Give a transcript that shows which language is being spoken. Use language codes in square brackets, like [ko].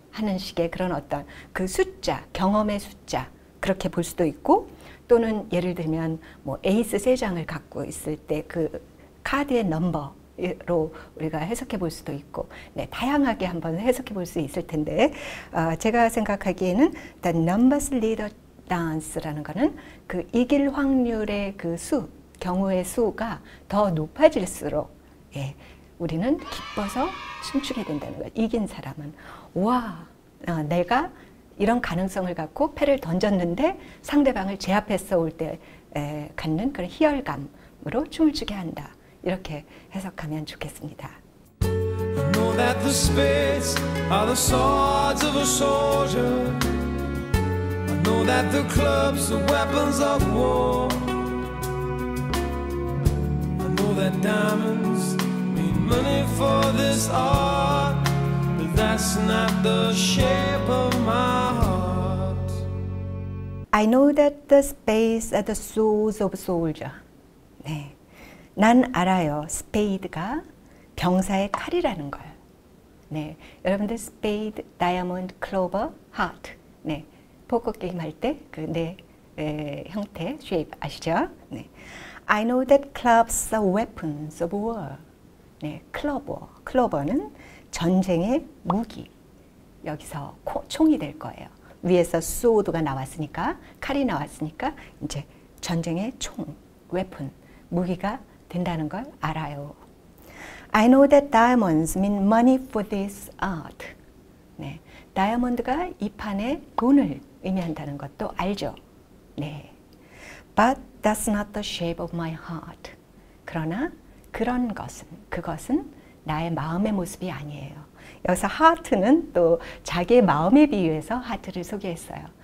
[ko] 하는 식의 그런 어떤 그 숫자, 경험의 숫자, 그렇게 볼 수도 있고, 또는 예를 들면, 뭐, 에이스 3장을 갖고 있을 때그 카드의 넘버로 우리가 해석해 볼 수도 있고, 네, 다양하게 한번 해석해 볼수 있을 텐데, 제가 생각하기에는, [en] The numbers lead a dance [ko] 라는 거는 그 이길 확률의 그 수, 경우의 수가 더 높아질수록 예, 우리는 기뻐서 춤추게 된다는 거예요. 이긴 사람은 와, 내가 이런 가능성을 갖고 패를 던졌는데 상대방을 제압했어 올때 갖는 그런 희열감으로 춤을 추게 한다. 이렇게 해석하면 좋겠습니다. [en] You know that the spades are the swords of a soldier. Know that the clubs are weapons of war. I know that diamonds mean money for this art, but that's not the shape of my heart. I know that the spades are the swords of soldier. [ko] 네, 난 알아요. 스페이드가 병사의 칼이라는 걸. 네, 여러분들 스페이드, 다이아몬드, 클로버, 하트. 네. 포커 게임 할때그네 형태 쉐입 아시죠? 네. [en] I know that clubs are weapons of war. [ko] 네, 클러버. 클러버는 전쟁의 무기. 여기서 총이 될 거예요. 위에서 소드가 나왔으니까, 칼이 나왔으니까 이제 전쟁의 총, 웨픈, 무기가 된다는 걸 알아요. [en] I know that diamonds mean money for this art. [ko] 네, 다이아몬드가 이 판에 돈을 의미한다는 것도 알죠. [en] 네. But that's not the shape of my heart. [ko] 그러나 그런 것은, 그것은 나의 마음의 모습이 아니에요. 여기서 하트는 또 자기의 마음에 비유해서 하트를 소개했어요.